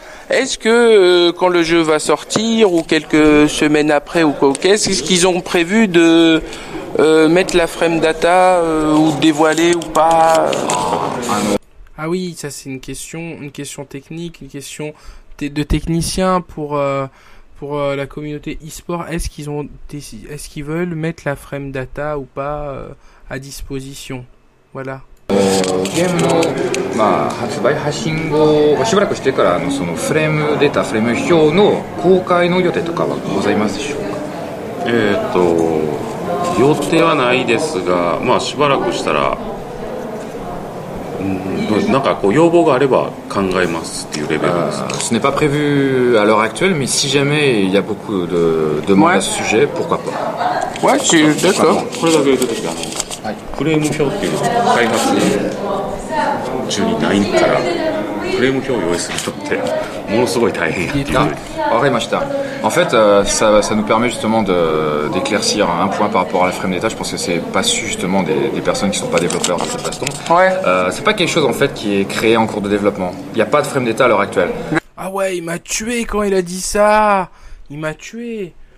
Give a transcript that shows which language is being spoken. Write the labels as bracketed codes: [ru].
[fr] Est-ce que quand le jeu va sortir ou quelques semaines après ou quoi, qu'est-ce qu'ils ont prévu de mettre la frame data ou dévoiler ou pas? Ah oui, ça c'est une question technique, une question de technicien pour la communauté e-sport. Est-ce qu'ils veulent mettre la frame data ou pas à disposition? Voilà. [ja] ゲームの、まあ、発売発信後しばらくしてからのそのフレームデータフレーム表の公開の予定とかはございますでしょうか？予定はないですが、まあ、しばらくしたら、なんかこう要望があれば考えますっていうレベルです。 [fr] Ce n'est pas prévu à l'heure actuelle, mais si jamais il y a beaucoup de demandes à ce sujet, pourquoi pas? Ouais, c'est d'accord. [ja] これだけ言うとですか。フレーム表っていうのは開発中にないからフレーム表を用意する人ってものすごい大変やっていう。分かりました。 [fr] En fait, ça nous permet justement d'éclaircir un point par rapport à la frame data. Je pense que c'est pas su justement des personnes qui sont pas développeurs de cette façon. Ouais. C'est pas quelque chose en fait qui est créé en cours de développement. Il y a pas de frame data à l'heure actuelle. Ah ouais, il m'a tué quand il a dit ça. Il m'a tué.